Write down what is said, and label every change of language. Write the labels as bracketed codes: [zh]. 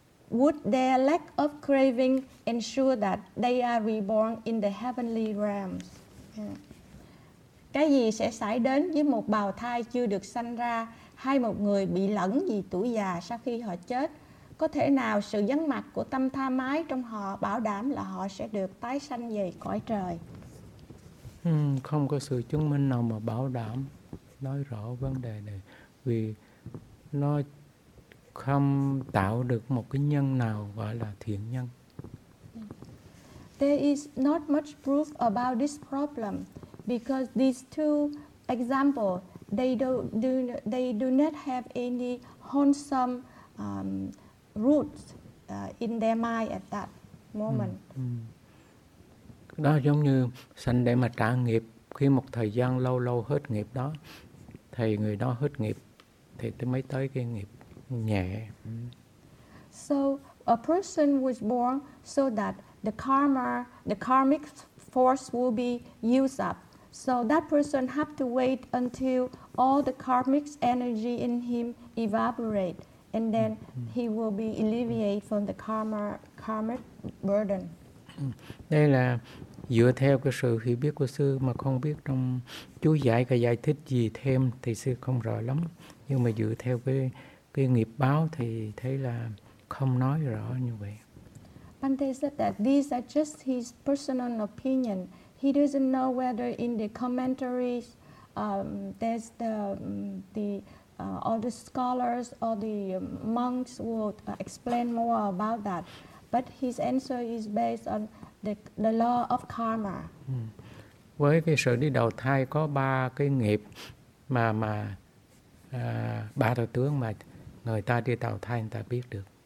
[en] Would their lack of craving ensure that they are reborn in the heavenly realms? [vi] Cái gì sẽ xảy đến với một bào thai chưa được sanh ra hay một người bị lẫn vì tuổi già sau khi họ chết? Có thể nào sự vắng mặt của tâm tha mái trong họ bảo đảm là họ sẽ được tái sanh về cõi trời? Không có sự chứng minh nào mà bảo đảm nói rõ vấn đề này, vì nó không tạo được một cái nhân nào gọi là thiện nhân. [en] There is not much proof about this problem because these two examples, they do not have any wholesome roots in their mind at that moment. [vi] Đó giống như sanh để mà trả nghiệp, khi một thời gian lâu lâu hết nghiệp đó thì người đó hết nghiệp thì mới tới cái nghiệp nhẹ. [en] So a person was born so that the karmic force will be used up. So that person have to wait until all the karmic energy in him evaporate and then he will be alleviated from the karmic burden. [vi] Đây là dựa theo cái sự hiểu biết của sư, mà không biết trong chú giải cái giải thích gì thêm thì sư không rõ lắm, nhưng mà dựa theo cái nghiệp báo thì thấy là không nói rõ như vậy. [en] Bhante said that these are just his personal opinion. He doesn't know whether in the commentaries there's all the scholars or the monks would explain more about that. But his answer is based on the law of karma. [vi] Với cái sự đi đầu thai có ba cái nghiệp mà ba đạo tướng mà người ta đi đầu thai người ta biết được.